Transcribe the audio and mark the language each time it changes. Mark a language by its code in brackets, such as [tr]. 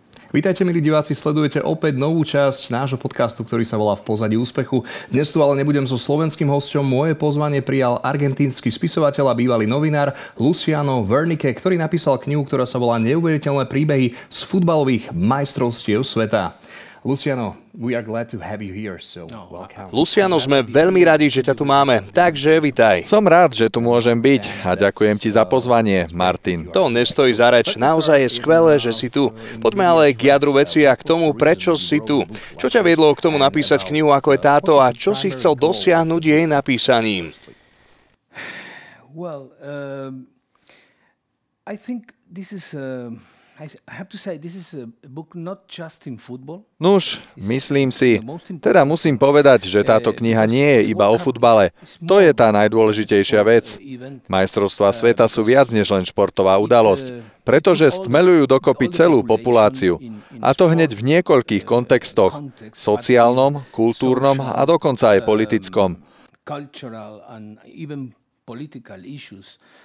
[sk] Vítajte, milí diváci, sledujete opäť novú časť nášho podcastu, ktorý sa volá V pozadí úspechu. Dnes tu ale nebudem so slovenským hosťom. Moje pozvanie prijal argentínsky spisovateľ a bývalý novinár Luciano Wernicke, ktorý napísal knihu, ktorá sa volá Neuveriteľné príbehy z futbalových majstrovstiev sveta. [en] Luciano, we are glad to have you here, so welcome. [sk] Luciano, sme veľmi radi, že ťa tu máme. Takže vitaj. Som rád, že tu môžem byť a ďakujem ti za pozvanie, Martin. To nestojí za reč. Naozaj je skvelé, že si tu. Poďme ale k jadru veci a k tomu, prečo si tu. Čo ťa viedlo k tomu napísať knihu, ako je táto, a čo si chcel dosiahnuť jej napísaním? [en] Well, I think this is I have to say this is a book not just in football. [sk] Nuž, myslím si, teda musím povedať, že táto kniha nie je iba o futbale. To je tá najdôležitejšia vec. Majstrovstvá sveta sú viac než len športová udalosť, pretože stmelujú dokopy celú populáciu. A to hneď v niekoľkých kontextoch: sociálnom, kultúrnom a dokonca aj politickom. [en] Cultural and even political issues.